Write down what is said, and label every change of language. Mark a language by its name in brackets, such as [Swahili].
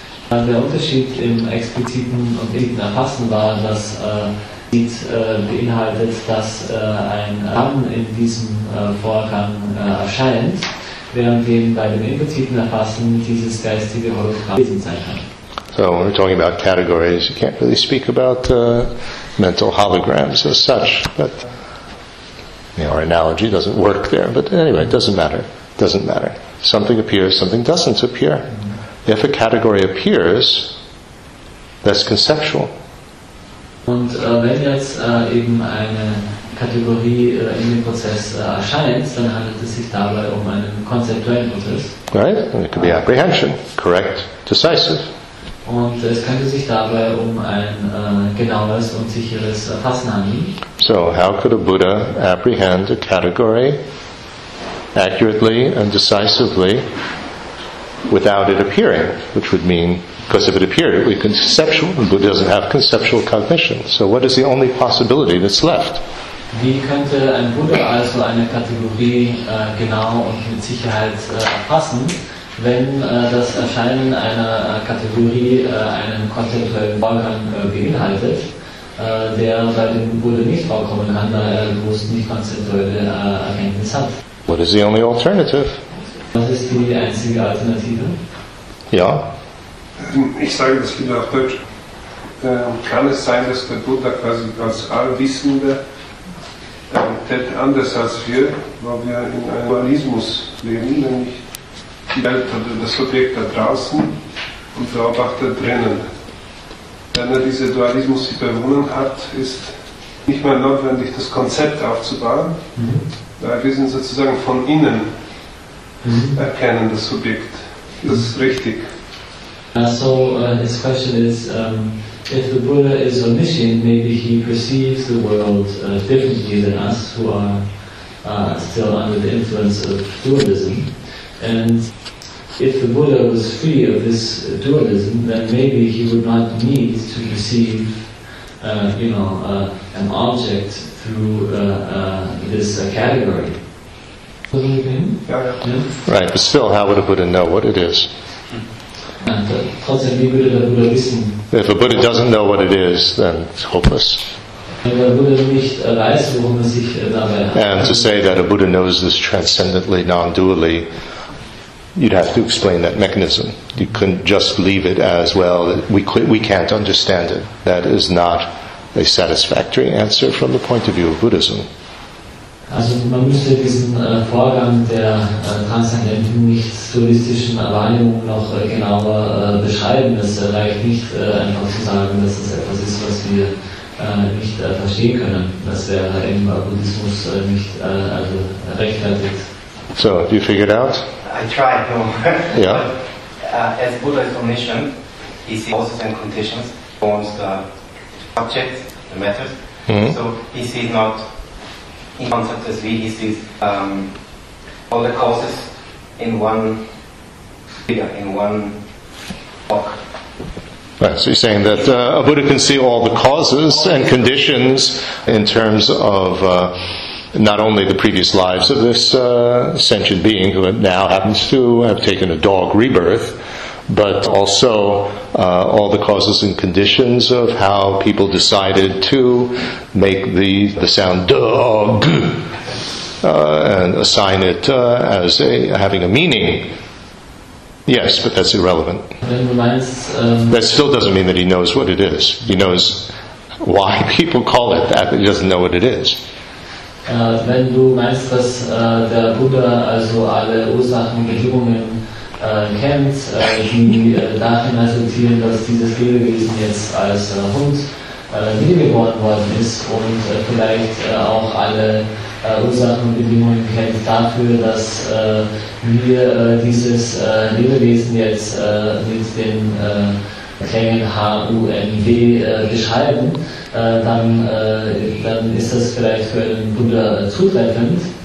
[German] Der Unterschied im expliziten und impliziten Erfassen war, dass es beinhaltet, dass ein Rahmen in diesem Vorgang erscheint, während bei dem impliziten Erfassen dieses geistige Hologramm gewesen sein kann. [English] So when we're talking about categories, you can't really speak about mental holograms as such, but you know, our analogy doesn't work there, but anyway, it doesn't matter. Doesn't matter. Something appears, something doesn't appear. If a category appears, that's conceptual. [German] Und wenn jetzt eben eine Kategorie in dem Prozess erscheint, dann handelt es sich dabei um einen konzeptuellen Prozess. [English] Right? And it could be apprehension. Correct. Decisive. [German] Und es könnte sich dabei um ein genaues und sicheres Erfassen handeln. [English] So, how could a Buddha apprehend a category accurately and decisively without it appearing? Which would mean, because if it appeared, it would be conceptual. The Buddha doesn't have conceptual cognition. So what is the only possibility that's left? [German] Wie könnte ein Buddha also eine Kategorie genau und mit Sicherheit erfassen, wenn das Erscheinen einer Kategorie einen konzeptuellen Vorgang beinhaltet, der bei dem Buddha nicht vorkommen kann, da er bewusst nicht konzeptuelle Erkenntnis hat. [English] What is the only alternative? [German] Was ist die einzige Alternative? Ja. Ich sage das wieder auf Deutsch. Kann es sein, dass der Buddha quasi als Allwissende anders als wir, weil wir in einem Dualismus leben, nämlich die Welt oder das Objekt da draußen und Beobachter drinnen. Wenn er diesen Dualismus überwunden hat, ist nicht mehr notwendig, das Konzept aufzubauen, weil wir sind sozusagen von innen erkennen das Subjekt. Das ist richtig. [English] His question is, if the Buddha is omniscient, maybe he perceives the world differently than us, who are still under the influence of dualism. And if the Buddha was free of this dualism, then maybe he would not need to perceive, an object through this category. Yeah. Right, but still, how would a Buddha know what it is? If a Buddha doesn't know what it is, then it's hopeless. And to say that a Buddha knows this transcendently, non-dually, you'd have to explain that mechanism. You couldn't just leave it as, well, we can't understand it. That is not a satisfactory answer from the point of view of Buddhism. [German] Also man müsste diesen Vorgang der transzendenten, nicht dualistischen Wahrnehmung noch genauer beschreiben. Es reicht nicht einfach zu sagen, dass es etwas ist, was wir nicht verstehen können, was der im Buddhismus nicht also rechtfertigt. [English] So, have you figured out? I tried to. Yeah. As Buddha is omniscient, he sees causes and conditions, forms the object, the matter. Mm-hmm. So he sees not in concept as we, he sees all the causes in one figure, in one book. Right, so you're saying that a Buddha can see all the causes and conditions in terms of not only the previous lives of this sentient being who now happens to have taken a dog rebirth, but also all the causes and conditions of how people decided to make the sound dog and assign it as having a meaning. Yes, but that's irrelevant. That still doesn't mean that he knows what it is. He knows why people call it that, but he doesn't know what it is. [German] Wenn du meinst, dass der Buddha also alle Ursachen und Bedingungen kennt, die darin resultieren, dass dieses Lebewesen jetzt als Hund wiedergeboren worden ist und vielleicht auch alle Ursachen und Bedingungen kennt dafür, dass wir dieses Lebewesen jetzt mit den Klängen H-U-N-G beschreiben, dann ist das vielleicht für den Buddha zutreffend.